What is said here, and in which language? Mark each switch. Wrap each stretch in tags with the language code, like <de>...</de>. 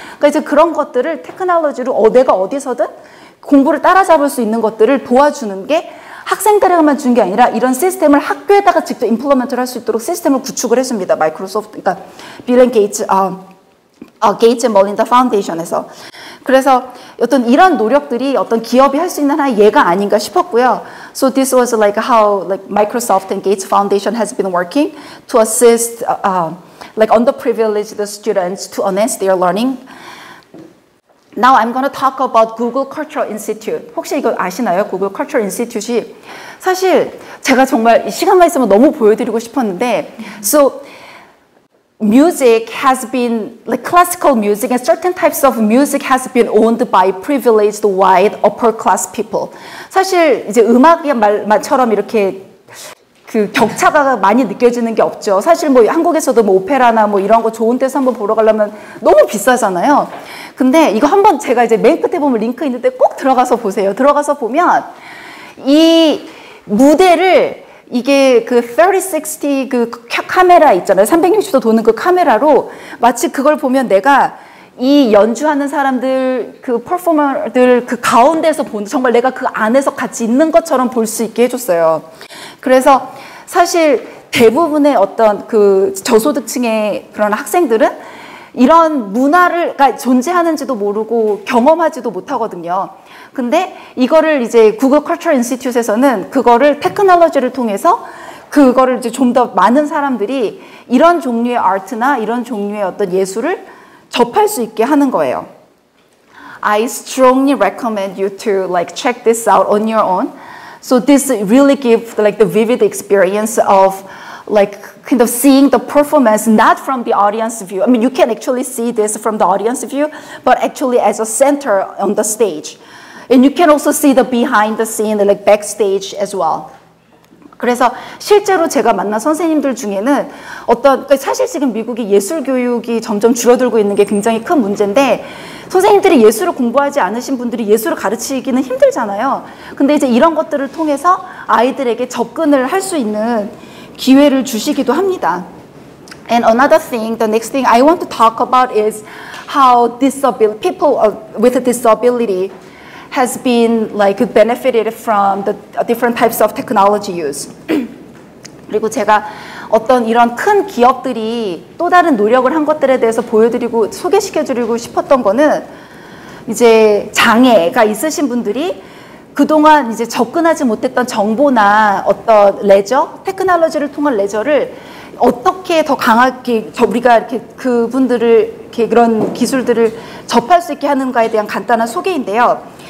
<ko>그러니까 이제 그런 것들을 테크놀로지로 내가 어디서든 공부를 따라잡을 수 있는 것들을 도와주는 게 학생들에게만 준 게 아니라 이런 시스템을 학교에다가 직접 임플리먼트를 할 수 있도록 시스템을 구축을 했습니다. 마이크로소프트, 그러니까 빌 앤 게이츠, 게이츠 앤 멀린다 파운데이션에서. 그래서 어떤 이런 노력들이 어떤 기업이 할 수 있는 하나의 예가 아닌가 싶었고요.</ko> <en>So this was like how like Microsoft and Gates Foundation has been working to assist like underprivileged students to enhance their learning. Now I'm going to talk about Google Cultural Institute.</en> <ko>혹시 이거 아시나요?</ko> <en>Google Cultural Institute이</en> <ko>사실 제가 정말 시간만 있으면 너무 보여드리고 싶었는데</ko> <en>So music has been, like classical music and certain types of music has been owned by privileged white upper class people.</en> <ko>사실 이제 음악의 말처럼 이렇게 그 격차가 많이 느껴지는 게 없죠. 사실 뭐 한국에서도 뭐 오페라나 뭐 이런 거 좋은 데서 한번 보러 가려면 너무 비싸잖아요. 근데 이거 한번 제가 이제 맨 끝에 보면 링크 있는데 꼭 들어가서 보세요. 들어가서 보면 이 무대를 이게 그 360 그 카메라 있잖아요. 360도 도는 그 카메라로 마치 그걸 보면 내가 이 연주하는 사람들 그 퍼포머들 그 가운데서 본 정말 내가 그 안에서 같이 있는 것처럼 볼 수 있게 해줬어요. 그래서 사실 대부분의 어떤 그 저소득층의 그런 학생들은 이런 문화를 그러니까 존재하는지도 모르고 경험하지도 못하거든요. 근데 이거를 이제 구글 컬처 인스티튜트에서는 그거를 테크놀로지를 통해서 그거를 이제 좀 더 많은 사람들이 이런 종류의 아트나 이런 종류의 어떤 예술을 접할 수 있게 하는 거예요.</ko> <en>I strongly recommend you to like check this out on your own. So this really gives like the vivid experience of like kind of seeing the performance not from the audience view. I mean, you can actually see this from the audience view, but actually as a center on the stage. And you can also see the behind the scene, like backstage as well.</en> <ko>그래서 실제로 제가 만난 선생님들 중에는 어떤, 사실 지금 미국의 예술 교육이 점점 줄어들고 있는 게 굉장히 큰 문제인데, 선생님들이 예술을 공부하지 않으신 분들이 예술을 가르치기는 힘들잖아요. 근데 이제 이런 것들을 통해서 아이들에게 접근을 할 수 있는 기회를 주시기도 합니다.</ko> <en>And another thing, the next thing I want to talk about is how people with a disability has been like benefited from the different types of technology use.</en> <ko>그리고 제가 어떤 이런 큰 기업들이 또 다른 노력을 한 것들에 대해서 보여드리고 소개시켜드리고 싶었던 거는 이제 장애가 있으신 분들이 그동안 이제 접근하지 못했던 정보나 어떤 레저, 테크놀로지를 통한 레저를 어떻게 더 강하게 우리가 이렇게 그분들을 이렇게 그런 기술들을 접할 수 있게 하는가에 대한 간단한 소개인데요.</ko>